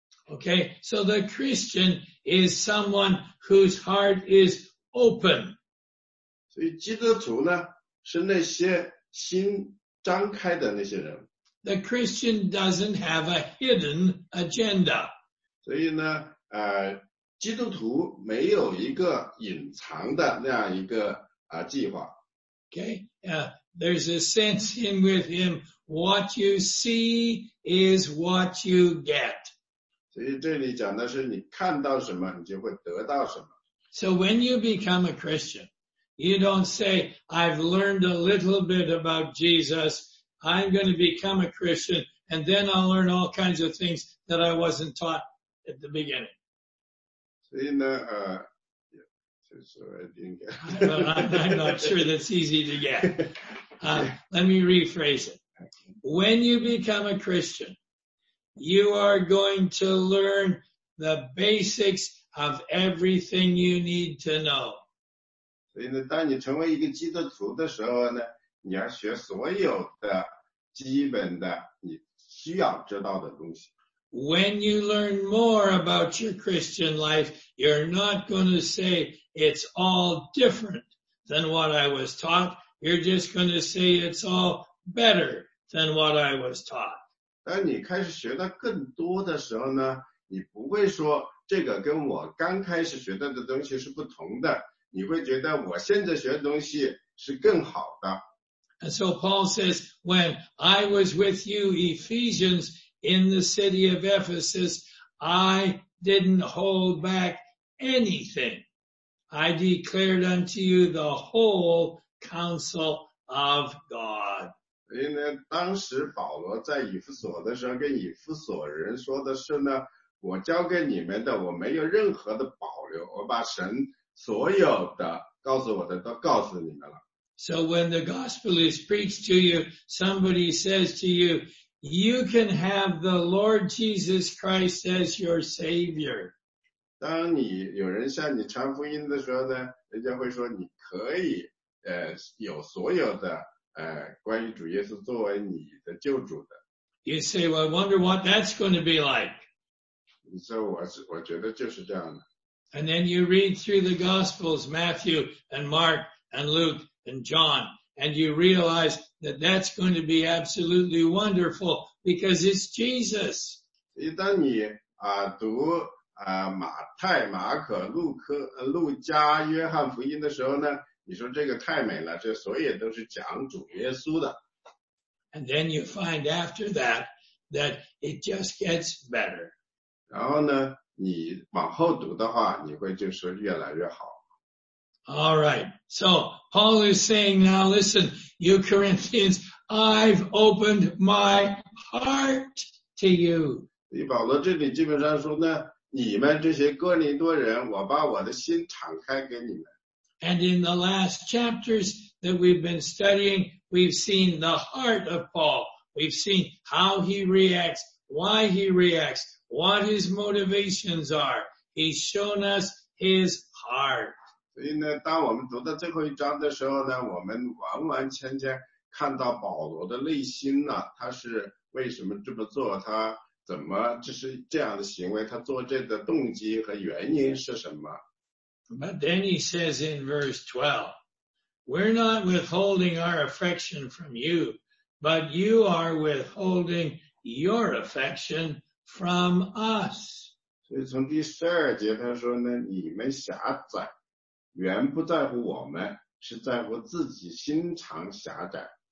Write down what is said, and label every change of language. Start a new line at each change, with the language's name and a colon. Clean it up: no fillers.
English: Okay, so the Christian is someone whose heart is open.
Chinese: 所以基督徒呢，是那些心张开的那些人。
English: The Christian doesn't have a hidden agenda.
Chinese: 所以呢，基督徒没有一个隐藏的那样一个计划。
English: Okay, there's a sense in with him, what you see is what you get.
Chinese: 所以这里讲的是你看到什么，你就会得到什么。
English: So when you become a Christian, you don't say, I've learned a little bit about Jesus,I'm going to become a Christian, and then I'll learn all kinds of things that I wasn't taught at the beginning.
Chinese: 所以呢，
English: I'm not sure that's easy to get. Let me rephrase it. When you become a Christian, you are going to learn the basics of everything you need to know.
Chinese: 所以呢，当你成为一个基督徒的时候呢，你要学所有的基本的你需要知道的东西。
English: When you learn more about your Christian life, you're not going to say it's all different than what I was taught. You're just going to say it's all better than what I was taught.
Chinese: 当你开始学的更多的时候呢，你不会说这个跟我刚开始学到的东西是不同的，你会觉得我现在学的东西是更好的。
English: And so Paul says, when I was with you, Ephesians, in the city of Ephesus, I didn't hold back anything. I declared unto you the whole counsel of God.
Chinese: 所以呢，当时保罗在以弗所的时候跟以弗所人说的是呢，我交给你们的，我没有任何的保留，我把神所有的告诉我的都告诉你们了。
English: So when the gospel is preached to you, somebody says to you, you can have the Lord Jesus Christ as your savior.
Chinese: 当你有人向你传福音的时候呢，人家会说你可以有所有的关于主耶稣作为你的救主的。
English: You say, well, I wonder what that's going to be like.
Chinese: 你说我觉得就是这样的。
English: And then you read through the gospels, Matthew and Mark and Luke. And John, and you realize that that's going to be absolutely wonderful because it's Jesus.
Chinese: 当你读马太、马可、路加、约翰福音的时候呢，你说这个太美了，这所以都是讲主耶稣的。
English: And then you find after that that it just gets better.
Chinese: 然后呢，你往后读的话，你会就是越来越好。
English: All right, so Paul is saying now, listen, you Corinthians, I've opened my heart to you.
Chinese: 保罗这里基本上说呢，你们这些哥林多人，我把我的心敞开给你们。
English: And in the last chapters that we've been studying, we've seen the heart of Paul. We've seen how he reacts, why he reacts, what his motivations are. He's shown us his heart.
Chinese: 所以呢，当我们读到最后一章的时候呢，我们完完全全看到保罗的内心呢，他是为什么这么做，他怎么就是这样的行为，他做这个动机和原因是什么。
English: But then he says in verse 12, we're not withholding our affection from you, but you are withholding your affection from us.
Chinese: 所以从第十二节他说呢，你们狭窄，原不在乎我们，是在乎自己心肠狭窄。